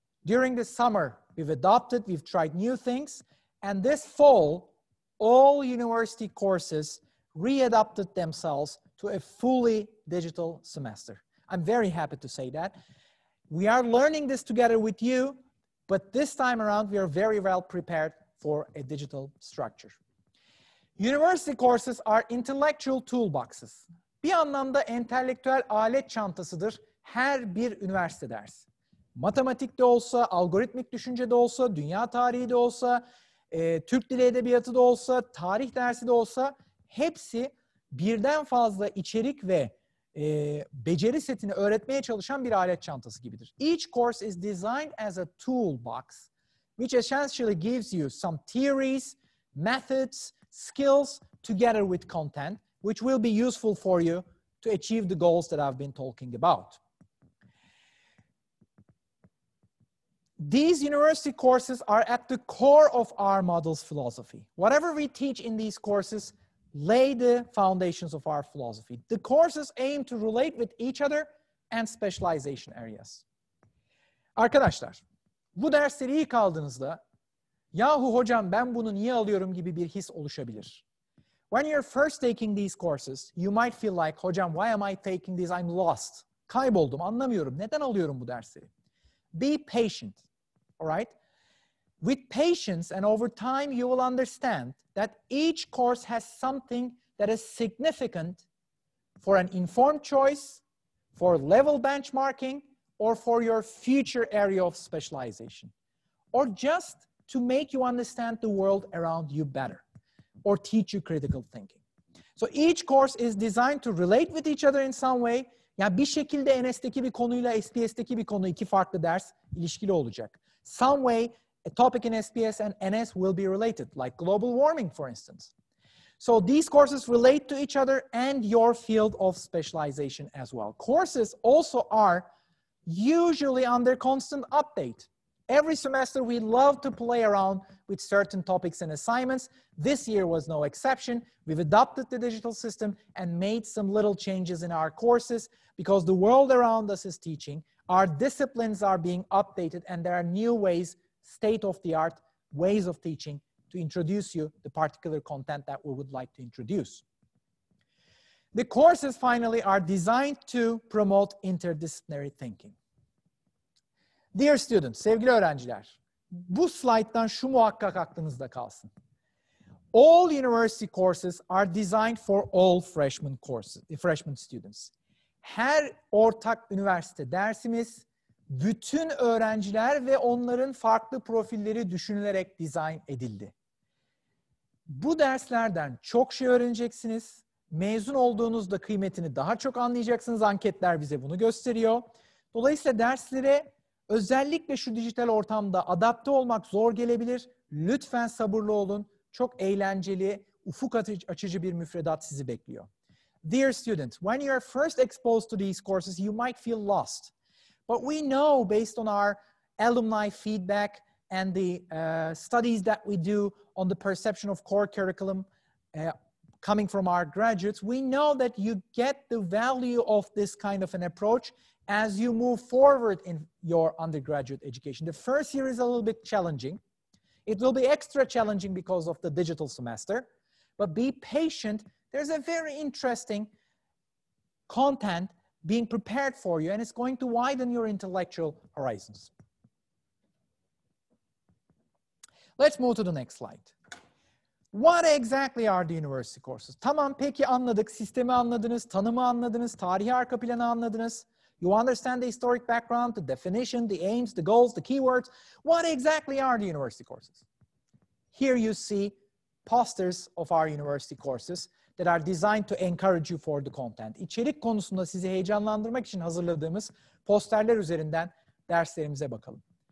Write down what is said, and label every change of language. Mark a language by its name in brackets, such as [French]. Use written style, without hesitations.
[English] During the summer, we've adopted, we've tried new things, and this fall, all university courses readapted themselves to a fully digital semester. I'm very happy to say that. We are learning this together with you, but this time around, we are very well prepared for a digital structure. University courses are intellectual toolboxes. [Turkish] Bir anlamda entelektüel alet çantasıdır her bir üniversite dersi. Matematikte olsa, algoritmik düşüncede olsa, dünya tarihi de olsa, Türk dili edebiyatı da olsa, tarih dersi de olsa, hepsi birden fazla içerik ve beceri setini öğretmeye çalışan bir alet çantası gibidir. [English] Each course is designed as a toolbox, which essentially gives you some theories, methods, skills, together with content, which will be useful for you to achieve the goals that I've been talking about. These university courses are at the core of our model's philosophy. Whatever we teach in these courses lay the foundations of our philosophy. The courses aim to relate with each other and specialization areas. [Turkish] Arkadaşlar, bu dersleri ilk aldığınızda "Yahu hocam ben bunu niye alıyorum?" gibi bir his oluşabilir. [English] When you're first taking these courses, you might feel like, "Hocam, why am I taking this? I'm lost. [Turkish] Kayboldum, anlamıyorum. Neden alıyorum bu dersleri?" [English] Be patient, all right? With patience and over time, you will understand that each course has something that is significant for an informed choice, for level benchmarking, or for your future area of specialization, or just to make you understand the world around you better, or teach you critical thinking. So each course is designed to relate with each other in some way. [Turkish] Yani bir şekilde NS'teki bir konuyla SPS'teki bir konu iki farklı ders ilişkili olacak. [English] Some way a topic in SPS and NS will be related, like global warming for instance. So these courses relate to each other and your field of specialization as well. Courses also are usually under constant update. Every semester we love to play around with certain topics and assignments. This year was no exception. We've adopted the digital system and made some little changes in our courses because the world around us is teaching. Our disciplines are being updated and there are new ways, state-of-the-art ways of teaching to introduce you the particular content that we would like to introduce. The courses finally are designed to promote interdisciplinary thinking. Dear students, [Turkish] sevgili öğrenciler, bu slide'dan şu muhakkak aklınızda kalsın. [English] All university courses are designed for all freshman courses, freshman students. [Turkish] Her ortak üniversite dersimiz bütün öğrenciler ve onların farklı profilleri düşünülerek dizayn edildi. Bu derslerden çok şey öğreneceksiniz. Mezun olduğunuzda kıymetini daha çok anlayacaksınız. Anketler bize bunu gösteriyor. Dolayısıyla derslere özellikle şu dijital ortamda adapte olmak zor gelebilir. Lütfen sabırlı olun. Çok eğlenceli, ufuk açıcı bir müfredat sizi bekliyor. [English] Dear student, when you are first exposed to these courses, you might feel lost. But we know based on our alumni feedback and the studies that we do on the perception of core curriculum coming from our graduates, we know that you get the value of this kind of an approach as you move forward in your undergraduate education. The first year is a little bit challenging. It will be extra challenging because of the digital semester, but be patient. There's a very interesting content being prepared for you and it's going to widen your intellectual horizons. Let's move to the next slide. What exactly are the university courses? [Turkish] Tamam, peki anladık. Sistemi anladınız, tanımı anladınız, tarihi arka planı anladınız. [English] You understand the historic background, the definition, the aims, the goals, the keywords. What exactly are the university courses? Here you see posters of our university courses that are designed to encourage you for the content. [Turkish] İçerik konusunda sizi heyecanlandırmak için hazırladığımız posterler üzerinden derslerimize bakalım.